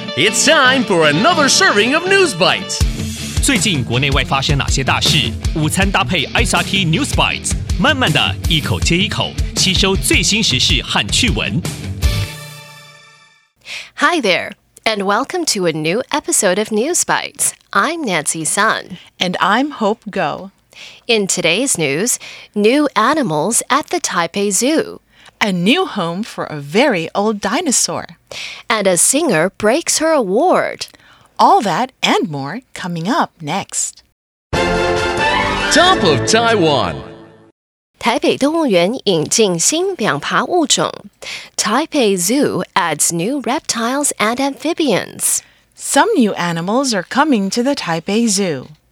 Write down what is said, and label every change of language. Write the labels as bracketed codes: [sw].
[en] It's time for another serving of News Bites. [zh] 最近国内外发生哪些大事？午餐搭配 SRT News Bites， 慢慢的一口接一口，吸收最新时事和趣闻。 [en] Hi there, and welcome to a new episode of News Bites. I'm Nancy Sun. And I'm Hope Go. In today's news, new animals at the Taipei Zoo. A new home for a very old dinosaur. And a singer breaks her award. All that and more coming up next. Top of Taiwan. [zh] 台北动物园引进新两爬物种。 [en] Taipei Zoo adds new reptiles and amphibians. Some new animals are coming to the Taipei Zoo.